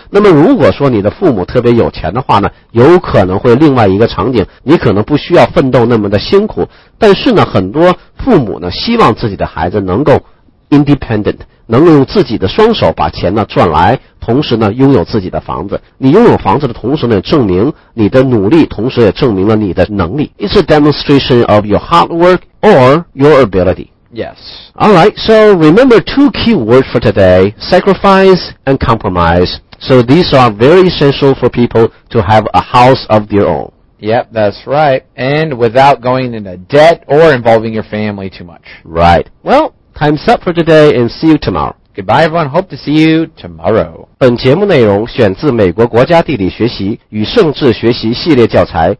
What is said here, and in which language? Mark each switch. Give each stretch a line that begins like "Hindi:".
Chinese: 那么如果说你的父母特别有钱的话呢，有可能会另外一个场景，你可能不需要奋斗那么的辛苦，但是呢很多父母呢希望自己的孩子能够 independent，能用自己的双手把钱呢赚来，同时呢拥有自己的房子。你拥有房子的同时呢，证明你的努力，同时也证明了你的能力。
English: It's a demonstration of your hard work or your ability. Yes. Alright, so remember two key words for today, sacrifice and compromise. So these are very essential for people to have a house of their own. Yep, that's right. And without going into debt or involving your family too much. Right. Well,Time's up for today, and see you tomorrow. Goodbye, everyone. Hope to see you tomorrow.
Chinese: 本节目内容选自美国国家地理学习与政治学习系列教材。